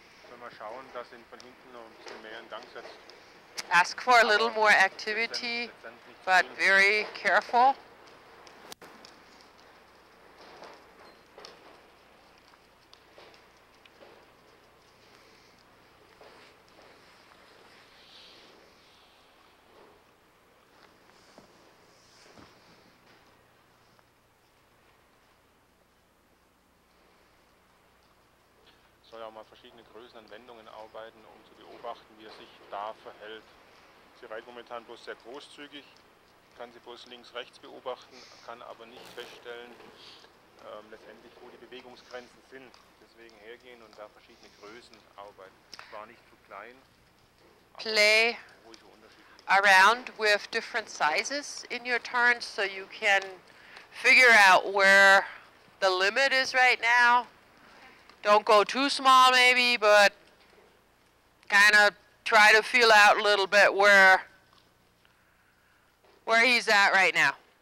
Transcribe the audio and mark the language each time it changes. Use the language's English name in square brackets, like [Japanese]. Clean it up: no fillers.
[German] wenn wir schauen, dass ihn von hinten noch ein bisschen mehr in Gang setzt. [English] Ask for a little more activity, but very careful. [German] Soll auch mal verschiedene Größen und Wendungen arbeiten, um zu beobachten, wie er sich da verhält. Sie reitet momentan bloß sehr großzügig, kann sie bloß links, rechts beobachten, kann aber nicht feststellen, letztendlich, wo die Bewegungsgrenzen sind. Deswegen hergehen und da verschiedene Größen arbeiten. War nicht zu klein. [English] Play around with different sizes in your turns, so you can figure out where the limit is right now. Don't go too small, maybe, but kind of try to feel out a little bit where he's at right now.